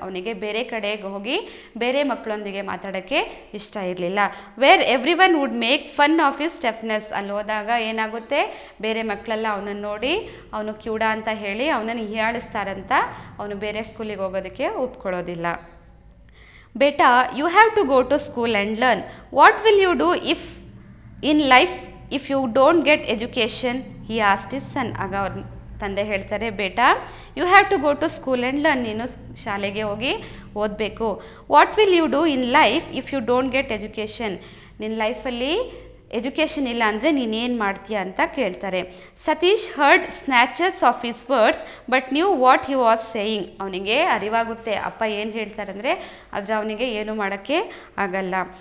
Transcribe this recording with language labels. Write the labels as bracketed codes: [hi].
[kn] ಅವನಿಗೆ ಬೇರೆ ಕಡೆಗೆ ಹೋಗಿ ಬೇರೆ ಮಕ್ಕಳೊಂದಿಗೆ ಮಾತಾಡೋಕ್ಕೆ ಇಷ್ಟ ಇರಲಿಲ್ಲ. [en] Where every one would make fun of his toughness. [kn] ಅಲ್ಲಿ ಹೋದಾಗ ಏನಾಗುತ್ತೆ, ಬೇರೆ ಮಕ್ಕಳೆಲ್ಲ ಅವನನ್ನು ನೋಡಿ ಅವನು ಕ್ಯೂಡ ಅಂತ ಹೇಳಿ ಅವನನ್ನು ಹೀಯಾಳಿಸ್ತಾರಂತ ಅವನು ಬೇರೆ ಸ್ಕೂಲಿಗೆ ಹೋಗೋದಕ್ಕೆ ಒಪ್ಕೊಳ್ಳೋದಿಲ್ಲ. [en] Beta, you have to go to school and learn. What will you do if in life if you don't get education? He asked his son. [kn] Aga avar tande heltare, [en] beta, you have to go to school and learn. [kn] Neenu shalege hogi odbeku. [en] What will you do in life if you don't get education? [kn] Nin life alli education ಇಲ್ಲ ಅಂದರೆ ನೀನೇನು ಮಾಡ್ತೀಯ ಅಂತ ಕೇಳ್ತಾರೆ. [en] Satish heard snatches of his words but knew what he was saying. [kn] ಅವನಿಗೆ ಅರಿವಾಗುತ್ತೆ ಅಪ್ಪ ಏನು ಹೇಳ್ತಾರಂದರೆ, ಆದರೆ ಅವನಿಗೆ ಏನು ಮಾಡೋಕ್ಕೆ ಆಗಲ್ಲ.